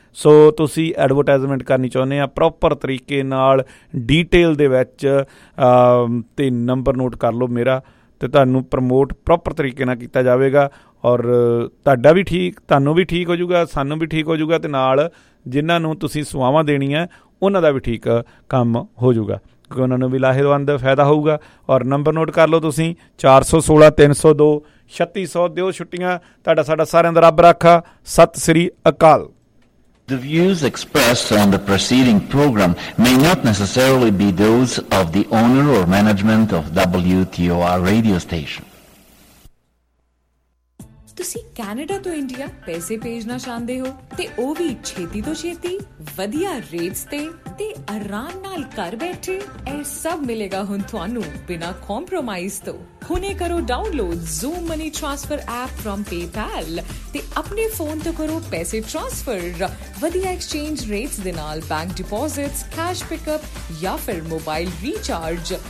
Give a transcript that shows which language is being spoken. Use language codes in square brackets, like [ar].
[pa] ਸੋ ਤੁਸੀਂ ਐਡਵਰਟਾਈਜ਼ਮੈਂਟ ਕਰਨੀ ਚਾਹੁੰਦੇ ਆ ਪ੍ਰੋਪਰ ਤਰੀਕੇ ਨਾਲ ਡੀਟੇਲ ਦੇ ਵਿੱਚ, ਅਤੇ ਨੰਬਰ ਨੋਟ ਕਰ ਲਓ ਮੇਰਾ, ਅਤੇ ਤੁਹਾਨੂੰ ਪ੍ਰਮੋਟ ਪ੍ਰੋਪਰ ਤਰੀਕੇ ਨਾਲ ਕੀਤਾ ਜਾਵੇਗਾ, ਔਰ ਤੁਹਾਡਾ ਵੀ ਠੀਕ, ਤੁਹਾਨੂੰ ਵੀ ਠੀਕ ਹੋਜੂਗਾ, ਸਾਨੂੰ ਵੀ ਠੀਕ ਹੋਜੂਗਾ, ਅਤੇ ਨਾਲ ਜਿਨ੍ਹਾਂ ਨੂੰ ਤੁਸੀਂ ਸੇਵਾਵਾਂ ਦੇਣੀਆਂ ਉਹਨਾਂ ਦਾ ਵੀ ਠੀਕ ਕੰਮ ਹੋਜੂਗਾ, ਕਿਉਂਕਿ ਉਹਨਾਂ ਨੂੰ ਵੀ ਲਾਹੇਵੰਦ ਫਾਇਦਾ ਹੋਊਗਾ। ਔਰ ਨੰਬਰ ਨੋਟ ਕਰ ਲਓ ਤੁਸੀਂ, 416-302-3600, ਦਿਓ ਛੁੱਟੀਆਂ, ਤੁਹਾਡਾ ਸਾਡਾ ਸਾਰਿਆਂ ਦਾ ਰੱਬ ਰਾਖਾ, ਸਤਿ ਸ੍ਰੀ ਅਕਾਲ। [en] The views expressed on the preceding program may not necessarily be those of the owner or management of WTOR radio station. [pa] ਤੁਸੀਂ ਕੈਨੇਡਾ ਤੋਂ ਇੰਡੀਆ ਪੈਸੇ ਭੇਜਣਾ ਚਾਹੁੰਦੇ ਹੋ, ਤੇ ਉਹ ਵੀ ਛੇਤੀ ਤੋਂ ਛੇਤੀ ਵਧੀਆ ਰੇਟਸ ਤੇ, ਤੇ ਆਰਾਮ ਨਾਲ ਘਰ ਬੈਠੇ? ਇਹ ਸਭ ਮਿਲੇਗਾ ਹੁਣ ਤੁਹਾਨੂੰ ਬਿਨਾਂ ਕੰਪਰੋਮਾਈਜ਼ ਤੋਂ। ਹੁਣੇ ਕਰੋ download zoom money transfer app from PayPal, ਤੇ ਆਪਣੇ ਫੋਨ ਤੋਂ ਕਰੋ ਪੈਸੇ ਟ੍ਰਾਂਸਫਰ ਵਧੀਆ ਐਕਸਚੇਂਜ ਰੇਟਸ ਦੇ ਨਾਲ, ਬੈਂਕ ਡਿਪੋਜ਼ਿਟਸ, ਕੈਸ਼ ਪਿਕਅਪ ਜਾਂ ਫਿਰ ਮੋਬਾਈਲ ਰੀਚਾਰਜ।